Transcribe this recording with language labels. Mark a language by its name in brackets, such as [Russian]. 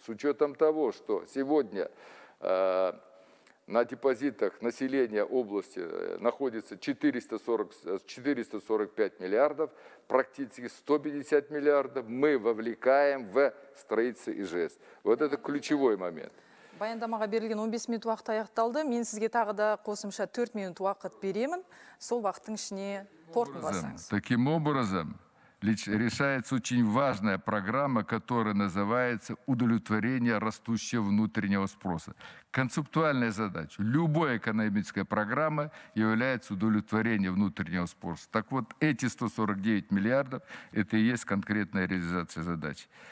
[Russian] С учетом того, что сегодня на депозитах населения области находится 445 миллиардов, практически 150 миллиардов мы вовлекаем в строительство ИЖС. Вот это ключевой момент. [Kazakh] Баяндамаға берілген 15 минут уақыт аяқталды. Мен сізге тағы да қосымша 4 минут уақыт беремін. Сол уақыттың ішіне қорытындысаңыз. [Russian] Таким образом, решается очень важная программа, которая называется «Удовлетворение растущего внутреннего спроса». Концептуальная задача. Любая экономическая программа является удовлетворение внутреннего спроса. Так вот, эти 149 миллиардов – это и есть конкретная реализация задач.